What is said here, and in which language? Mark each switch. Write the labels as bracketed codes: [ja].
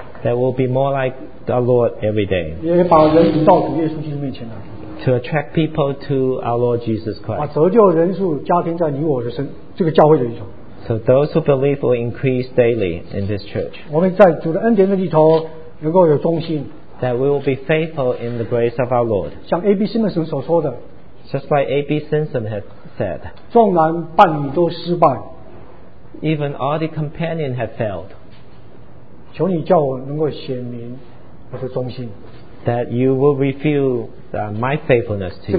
[en] that we'll be more like our Lord every day, [zh] 也把人引到主耶稣基督面前来， [en] to attract people to our Lord Jesus Christ, [zh] 把折旧人数加添在你我的身这个教会的里头。 [en] So those who believe will increase daily in this church. [zh] 我们在主的恩典的里头能够有忠心。 [en] That we will be faithful in the grace of our Lord. [zh] 像 A.B. Simpson 所说的， [en] just like A.B. Simpson had said, [zh] 纵然伴侣都失败， [en] even all the companion had failed. [zh] 求你叫我能够显明我的忠心。 [en] That you will reveal my faithfulness to you.